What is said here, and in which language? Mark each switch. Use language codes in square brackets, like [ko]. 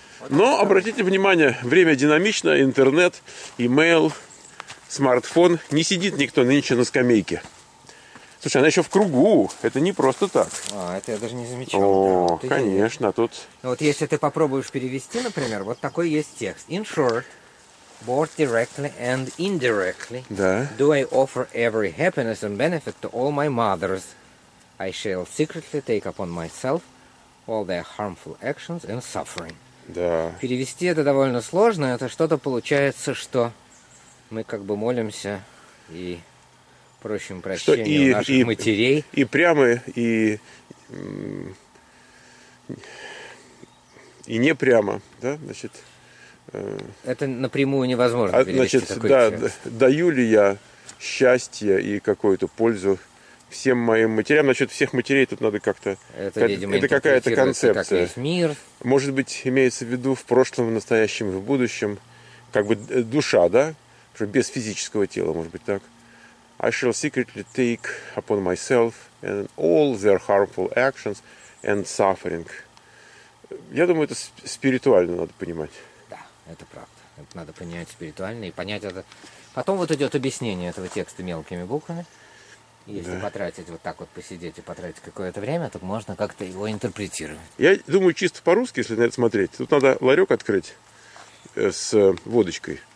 [ru] Но обратите внимание, время динамично, интернет, имейл, смартфон. Не сидит никто нынче на скамейке. Слушай, она еще в кругу, это не просто так. А, это я даже не замечал. О, да, конечно, тут... Вот если ты попробуешь перевести, например, вот такой есть текст. [en] In short, both directly and indirectly, [ru] да. [en] Do I offer every happiness and benefit to all my mothers, I shall secretly take upon myself all their harmful actions and suffering. [ru] Да. Перевести это довольно сложно, это что-то получается, что мы как бы молимся и просим прощения у наших матерей. И прямо, и не прямо, да, значит. Это напрямую невозможно перевести. Значит, такой, да, даю ли я счастье и какую-то пользу всем моим матерям, насчет всех матерей тут надо как-то... Это какая-то концепция. Как весь мир. Может быть, имеется в виду в прошлом, в настоящем, в будущем, как бы душа, да? Без физического тела, может быть, так? [en] I shall secretly take upon myself and all their harmful actions and suffering. [ru] Я думаю, это спиритуально надо понимать. Да, это правда. Это надо понять спиритуально и понять это. Потом вот идет объяснение этого текста мелкими буквами. Если да. потратить вот так вот, посидеть и потратить какое-то время, то можно как-то его интерпретировать. Я думаю, чисто по-русски, если на это смотреть, тут надо ларек открыть с водочкой.